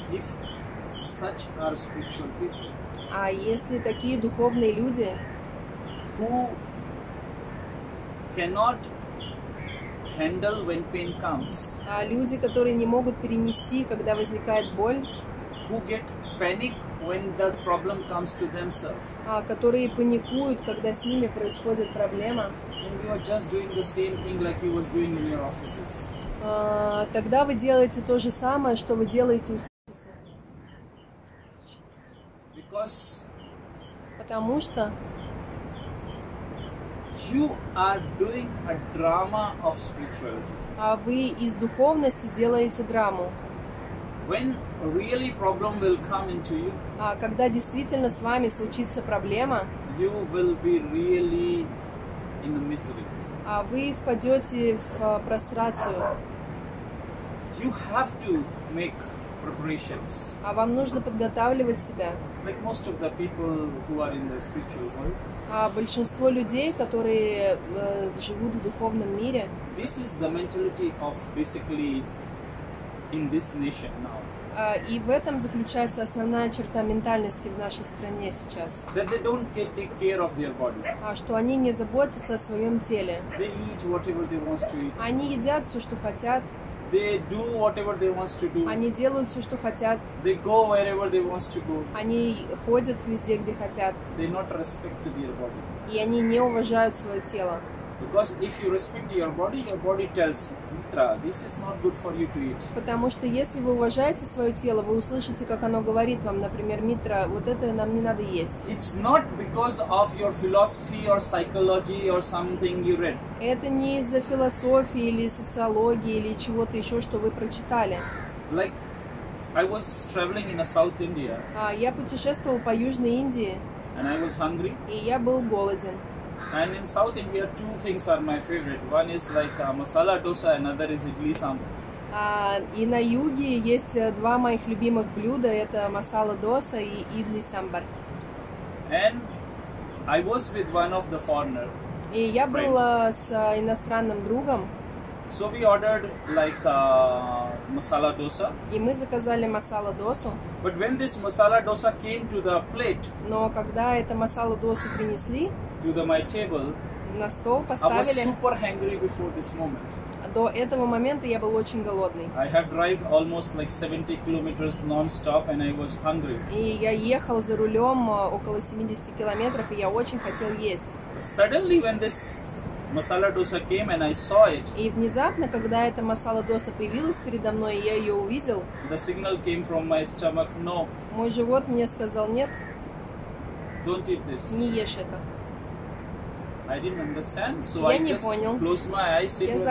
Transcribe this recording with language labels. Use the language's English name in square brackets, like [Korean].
[English] If such are spiritual people, [Russian] если такие духовные люди, [English] who cannot handle when pain comes, [Russian] люди, которые не могут перенести, когда возникает боль, [English] who get panic when the problem comes to themselves, [Russian] которые паникуют, когда с ними происходит проблема, [English] then you are just doing the same thing like you was doing in your offices. [Russian] Тогда вы делаете то же самое, что вы делаете у себя. [English] Because [Russian] потому что [English] you are doing a drama of spirituality. [Russian] Вы из духовности делаете драму. [English] When really problem will come into you, [Russian] когда действительно с вами случится проблема, [English] you will be really in the misery. [Russian] вы впадете в прострацию. [English] You have to make preparations. [Russian] А вам нужно подготавливать себя. [English] Like most of the people who are in the spiritual world. [Russian] А большинство людей, которые живут в духовном мире. [English] This is the mentality of basically in this nation now. [Russian] И в этом заключается основная черта ментальности в нашей стране сейчас. [English] That they don't take care of their body. [Russian] Что они не заботятся о своем теле. [English] They eat whatever they want to eat. [Russian] Они едят все, что хотят. [English] They do whatever they want to do. [Russian] Они делают все, что хотят. [English] They go wherever they want to go. [Russian] Они ходят везде, где хотят. [English] They not respect their body. [Russian] И они не уважают свое тело. [English] Because if you respect your body tells Mitra, this is not good for you to eat. [Russian] Потому что если вы уважаете свое тело, вы услышите, как оно говорит вам, например, Митра, вот это нам не надо есть. [English] It's not because of your philosophy or psychology or something you read. [Russian] Это не из-за философии или социологии или чего-то еще, что вы прочитали. [English] Like I was traveling in a South India. [Russian] Я путешествовал по Южной Индии. [English] And I was hungry. [Russian] И я был голоден. [English] And in South India, two things are my favorite. One is like masala dosa, another is idli sambar. [Russian] И на юге есть два моих любимых блюда. Это масала доса и идли самбар. [English] And I was with one of the foreigner. [Russian] И я был с иностранным другом. [English] So we ordered like masala dosa. [Russian] И мы заказали масала досу. [English] But when this masala dosa came to the plate. [Russian] Но когда это масала досу принесли. [English] To the my table. [Russian] На стол поставили. [English] I was super hungry before this moment. [Russian] До этого момента я был очень голодный. [English] I have driven almost like 70 kilometers non-stop and I was hungry. [Russian] И я ехал за рулем около 70 километров и я очень хотел есть. [English] Suddenly when this masala dosa came and I saw it. [Russian] И внезапно, когда эта масала доса появилась передо мной, и я ее увидел. [English] The signal came from my stomach. No. [Russian] Мой живот мне сказал нет. [English] Don't eat this. [Russian] Не ешь это. [English] I didn't understand, so [Russian] я [English] I just [Russian] понял. [English] Closed my eyes, sit [Russian] я [English] with myself.